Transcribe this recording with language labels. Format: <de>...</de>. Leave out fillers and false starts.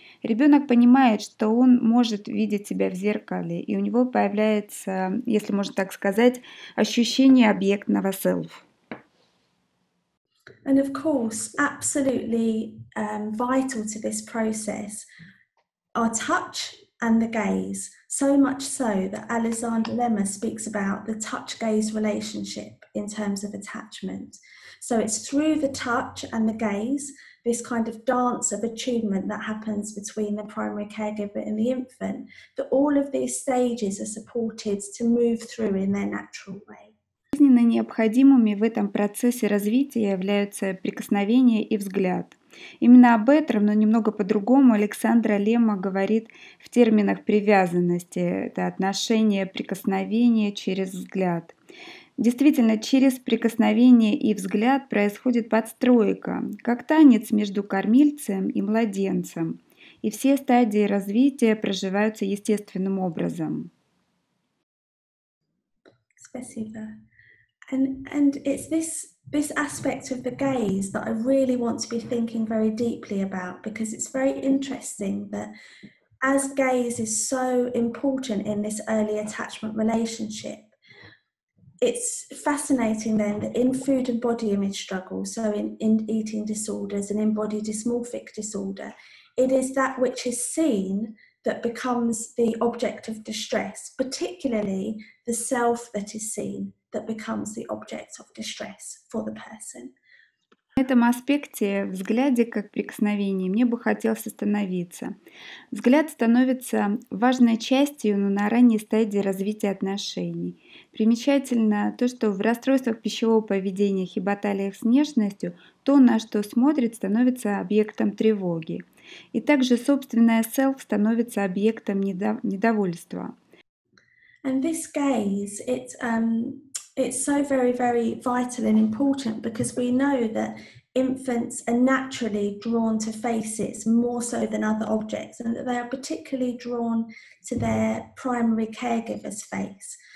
<ru>Ребенок понимает, что он может видеть себя в зеркале, и у него появляется, если можно так сказать, ощущение объектного self.</ru> <en>And of course, absolutely vital to this process are touch and the gaze. So much so that Alexander Lemma speaks about the touch-gaze relationship in terms of attachment. So it's through the touch and the gaze, this kind of dance of attunement that happens between the primary caregiver and the infant, that all of these stages are supported to move through in their natural way.</en> <ru>Жизненно необходимыми в этом процессе развития являются прикосновение и взгляд. Именно об этом, но немного по-другому, Александра Лемма говорит в терминах привязанности. Это отношение прикосновения через взгляд. Действительно, через прикосновение и взгляд происходит подстройка, как танец между кормильцем и младенцем. И все стадии развития проживаются естественным образом. Спасибо.</ru> <en>And it's this aspect of the gaze that I really want to be thinking very deeply about, because it's very interesting that as gaze is so important in this early attachment relationship, it's fascinating then that in food and body image struggles, so in eating disorders and in body dysmorphic disorder, it is that which is seen that becomes the object of distress, particularly the self that is seen that becomes the object of distress for the person.</en> <ru>В этом аспекте, взгляде как прикосновении, мне бы хотелось остановиться. Взгляд становится важной частью, но на ранней стадии развития отношений. Примечательно то, что в расстройствах пищевого поведения и баталиях с нежностью то, на что смотрит, становится объектом тревоги. И также собственное self становится объектом недовольства.</ru> <en>And this gaze, it's so very, very vital and important, because we know that infants are naturally drawn to faces more so than other objects, and that they are particularly drawn to their primary caregiver's face.</en>